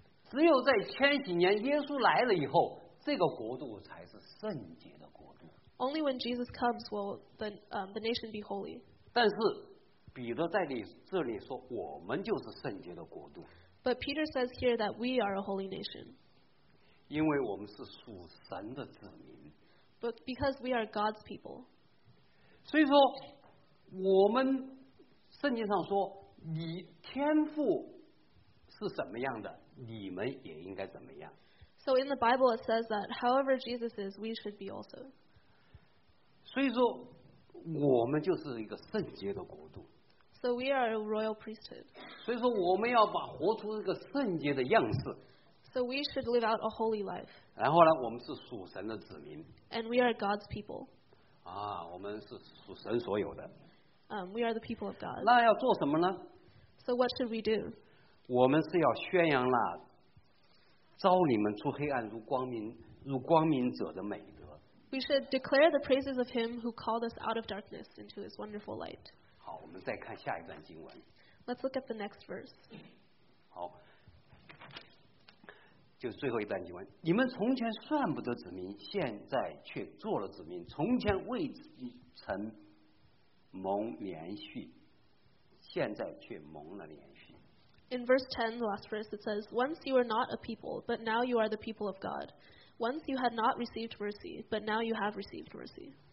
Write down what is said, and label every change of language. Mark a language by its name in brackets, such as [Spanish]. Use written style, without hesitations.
[Chinese] 只有在千禧年耶稣来了以后，这个国度才是圣洁的国度。 [English] Only when Jesus comes will the nation be holy. [Chinese] 但是彼得在这里说，我们就是圣洁的国度。 [English] But Peter says here that we are a holy nation. [Chinese] 因为我们是属神的子民。 [English] But because we are God's people. [Chinese] 所以说，我们圣经上说，你天父是什么样的，你们也应该怎么样。 [English] So in the Bible it says that however Jesus is, we should be also. [Chinese] 所以说。我们就是一个圣洁的国度。 [English] So we are a royal priesthood. [Chinese] 所以说我们要把活出一个圣洁的样式。 [English] So we should live out a holy life. [Chinese] 然后呢，我们是属神的子民。 [English] And we are God's people. [Chinese] 啊，我们是属神所有的。 [English] We are the people of God. [Chinese] 那要做什么呢？ [English] So what should we do? [Chinese] 我们是要宣扬那召你们出黑暗入光明者的美。 [English] We should declare the praises of him who called us out of darkness into his wonderful light. [Chinese] 好，我们再看下一段经文。 [English] Let's look at the next verse. [Chinese] 好，就最后一段经文。你们从前算不得子民，现在却做了子民；从前未曾蒙连续，现在却蒙了连续。 [English] In verse 10, the last verse, it says, Once you were not a people, but now you are the people of God. Once you had not received mercy, but now you have received mercy.